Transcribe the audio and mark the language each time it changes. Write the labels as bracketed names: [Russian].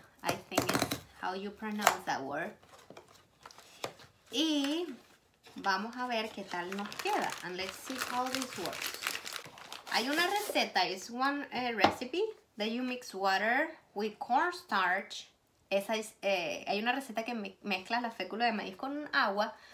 [English] I think it's how you pronounce that word. [Spanish] Y vamos a ver qué tal nos queda. [English] And let's see how this works. [Spanish] Hay una receta, [English] it's one recipe that you mix water with cornstarch. [Spanish] Hay una receta que mezcla la fécula de maíz con agua.